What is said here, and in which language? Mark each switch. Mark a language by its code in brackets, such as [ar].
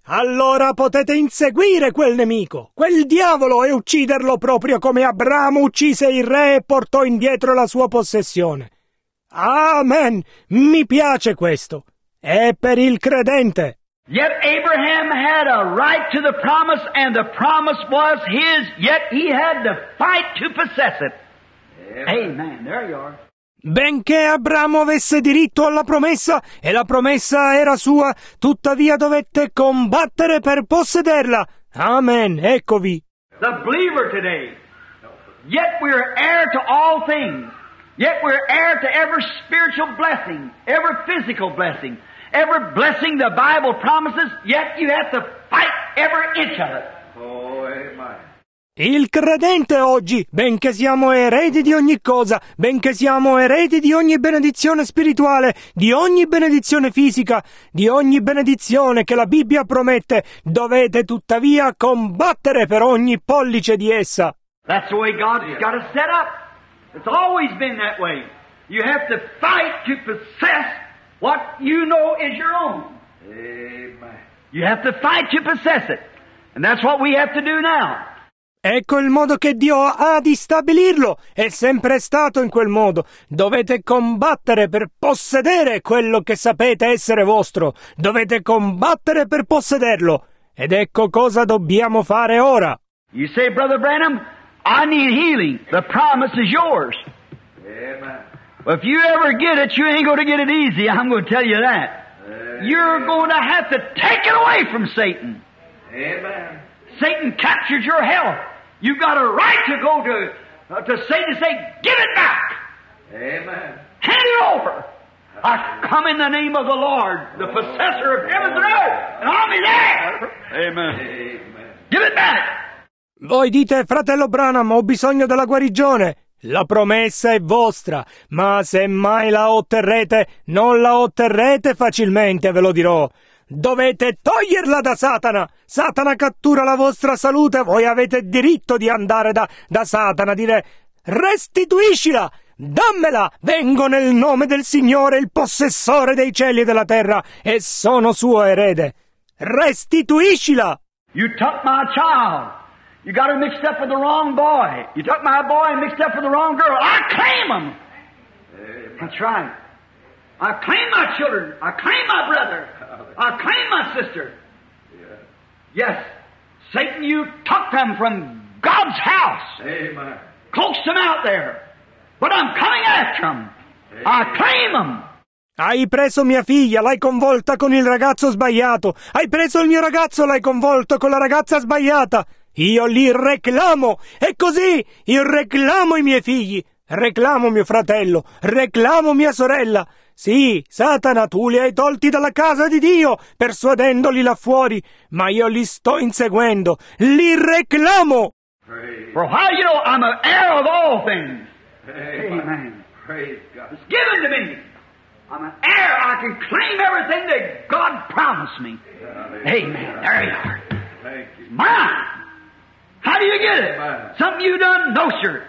[it] Allora potete inseguire quel nemico, quel diavolo, e ucciderlo proprio come Abramo uccise il re e portò indietro la sua possessione. Amen! Mi piace questo. È per il credente. [en] Yet Abraham had a right to the promise, and the promise was his, yet he had the fight to possess it. Amen. There you are. [it] Benché Abramo avesse diritto alla promessa, e la promessa era sua, tuttavia dovette combattere per possederla. Amen. Eccovi. [en] The believer today Yet we're heir to all things. Yet we're heir to every spiritual blessing, every physical blessing, every blessing the Bible promises, yet you have to fight every inch of it. Oh, amen. [it] Il credente oggi, benché siamo eredi di ogni cosa, benché siamo eredi di ogni benedizione spirituale, di ogni benedizione fisica, di ogni benedizione che la Bibbia promette, dovete tuttavia combattere per ogni pollice di essa. [en] That's the way God's got it set up. It's always been that way. You have to fight to possess what you know is your own. Amen. You have to fight to possess it. And that's what we have to do now. [it] Ecco il modo che Dio ha di stabilirlo, è sempre stato in quel modo. Dovete combattere per possedere quello che sapete essere vostro. Dovete combattere per possederlo. Ed ecco cosa dobbiamo fare ora. [en] You say, Brother Branham, I need healing. The promise is yours. Amen. Well, if you ever get it, you ain't going to get it easy, I'm going to tell you that. Amen. You're going to have to take it away from Satan. Amen. Satan captured your health. You've got a right to go to Satan and say, give it back. Amen. Hand it over. I come in the name of the Lord, the possessor of heaven and earth, and I'll be there. Amen. Amen. Give it back. [it] Voi dite, fratello Branham, ho bisogno della guarigione. La promessa è vostra, ma se mai la otterrete, non la otterrete facilmente, ve lo dirò. Dovete toglierla da Satana. Satana cattura la vostra salute. Voi avete diritto di andare da Satana, dire restituiscila, dammela, vengo nel nome del Signore, il possessore dei cieli e della terra, e sono suo erede. Restituiscila. [en] You took my child. You got her mixed up with the wrong boy. You took my boy and mixed up with the wrong girl. I claim them. That's right. I claim my children. I claim my brother. I claim my sister. Yes. Satan, you took them from God's house. Amen. Coaxed them out there. But I'm coming after them. Amen. I claim them. [it] Hai preso mia figlia, l'hai convolta con il ragazzo sbagliato. Hai preso il mio ragazzo, l'hai convolto con la ragazza sbagliata. Io li reclamo. E così io reclamo i miei figli. Reclamo mio fratello. Reclamo mia sorella. Sì, Satana, tu li hai tolti dalla casa di Dio, persuadendoli là fuori, ma io li sto inseguendo, li reclamo! [en] For how you know I'm an heir of all things. Amen. It's given to me. I'm an heir. I can claim everything that God promised me. Amen. There you are. Thank you. Mine! How do you get it? Something you done? No, sir.